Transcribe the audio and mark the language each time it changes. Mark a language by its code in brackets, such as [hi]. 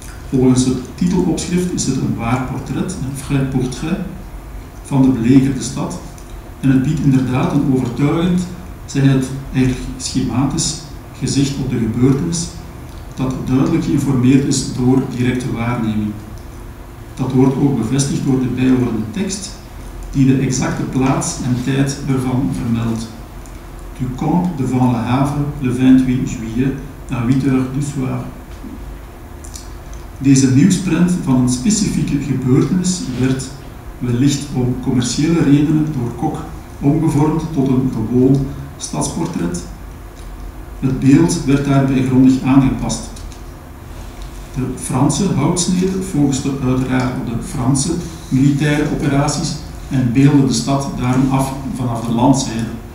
[nl] Volgens het titelopschrift is het een waar portret, een [fr] vrai portrait, [nl] van de belegerde stad en het biedt inderdaad een overtuigend, zij het eigenlijk schematisch, gezicht op de gebeurtenis dat duidelijk geïnformeerd is door directe waarneming. Dat wordt ook bevestigd door de bijhorende tekst die de exacte plaats en tijd ervan vermeldt. [fr] Du camp devant Le Havre, le 28 juillet, à 8 heures du soir. [nl] Deze nieuwsprint van een specifieke gebeurtenis werd wellicht om commerciële redenen door Koch omgevormd tot een gewoon stadsportret. Het beeld werd daarbij grondig aangepast. De Franse houtsnede focuste uiteraard op de Franse militaire operaties en beeldde de stad daarom af vanaf de landzijde.